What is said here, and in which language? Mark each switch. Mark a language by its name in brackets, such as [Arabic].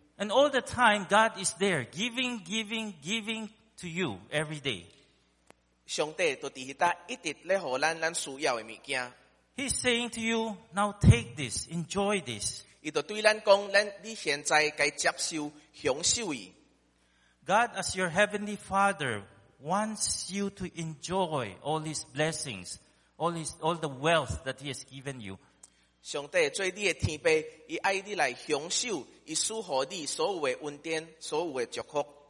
[English] And all the time, God is there, giving, giving, giving to you every day. [Min Nan Chinese] 上帝都伫迄搭一直咧予咱需要的物件。 [English] He's saying to you, "Now take this, enjoy this." [Min Nan Chinese] 伊就对咱讲，咱你现在该接受、享受伊。 [English] God, as your heavenly Father, wants you to enjoy all His blessings, all the wealth that He has given you. [Min Nan Chinese] 上帝做你的天父，伊爱你来享受伊赐予你所有的恩典、所有的祝福。